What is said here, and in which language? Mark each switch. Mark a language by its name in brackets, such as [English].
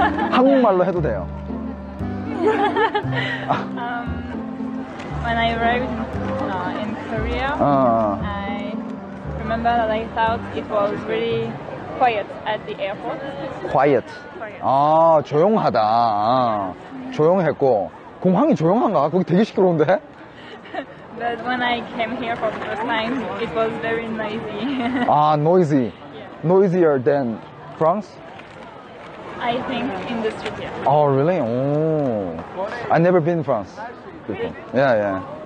[Korean] 한국말로 해도 돼요. [English] When I arrived in Korea, I remember that I thought it was really quiet at the airport. Quiet. [Korean] 아, 조용하다. 아, 조용했고 공항이 조용한가? 거기 되게 시끄러운데? [English] But when I came here for the first time, it was very noisy. 아, noisy. Yeah. Noisier than France? I think in the street, yeah. Oh, really? Oh. I've never been in France. Really? Yeah, yeah.